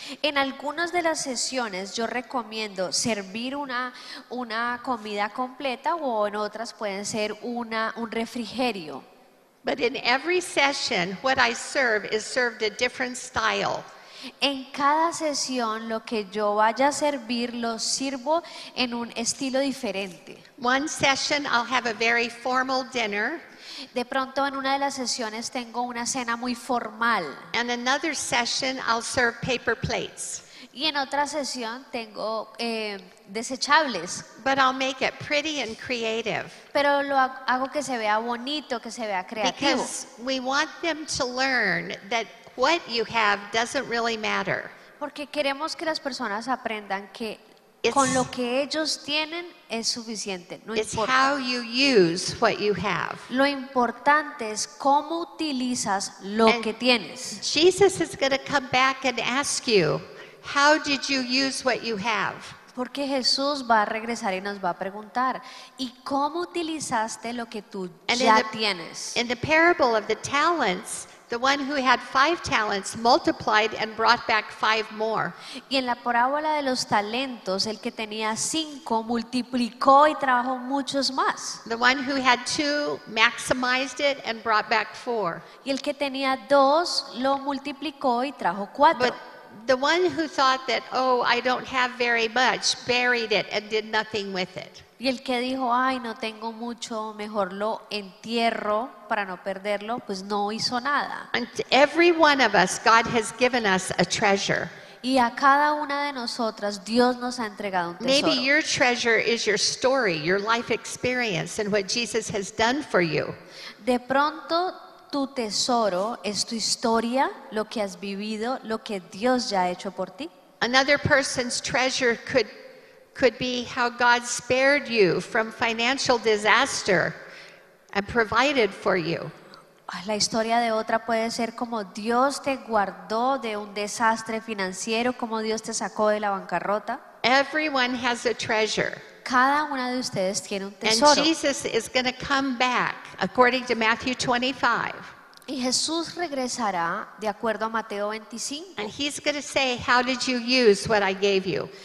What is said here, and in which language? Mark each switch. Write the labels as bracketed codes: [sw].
[es] En algunas de las sesiones yo recomiendo servir una comida completa o en otras pueden ser un refrigerio. [en] But in every session what I serve is served a different style. [es] En cada sesión lo que yo vaya a servir lo sirvo en un estilo diferente. [en] One session I'll have a very formal dinner. [es] De pronto en una de las sesiones tengo una cena muy formal. [en] And another session I'll serve paper plates. [es] Y en otra sesión tengo desechables. [en] But I'll make it pretty and creative. [es] Pero lo hago que se vea bonito, que se vea creativo. [en] Because we want them to learn that what you have doesn't really matter. [es] Porque queremos que las personas aprendan que con lo que ellos tienen es suficiente, no [en] it's [es] importa. [en] How you use what you have. [es] Lo importante es cómo utilizas lo [en] and [es] que tienes. [en] Jesus is going to come back and ask you, how did you use what you have? [es] Porque Jesús va a regresar y nos va a preguntar, ¿y cómo utilizaste lo que tú [en] and [es] ya [en] in the, [es] tienes? [en] In the parable of the talents, the one who had 5 talents multiplied and brought back 5 more. [es] Y en la parábola de los talentos, el que tenía 5 multiplicó y trajo muchos más. [en] The one who had 2 maximized it and brought back 4. [es] Y el que tenía 2 lo multiplicó y trajo 4. [en] But the one who thought that, oh, I don't have very much, buried it and did nothing with it. [es] Y el que dijo, ay, no tengo mucho, mejor lo entierro para no perderlo, pues no hizo nada. [en] And every one of us, God has given us a treasure. [es] Y a cada una de nosotras, Dios nos ha entregado un tesoro. [en] Maybe your treasure is your story, your life experience, and what Jesus has done for you. [es] De pronto, tu tesoro es tu historia, lo que has vivido, lo que Dios ya ha hecho por ti. [en] Another person's treasure could be how God spared you from financial disaster and provided for you. [es] La historia de otra puede ser como Dios te guardó de un desastre financiero, como Dios te sacó de la bancarrota. [en] Everyone has a treasure. [es] Cada una de ustedes tiene un tesoro. [en] And Jesus is going to come back according to Matthew 25. [es] Y Jesús regresará de acuerdo a Mateo 25. [en] And he's going to say, "How did you use what I gave you?"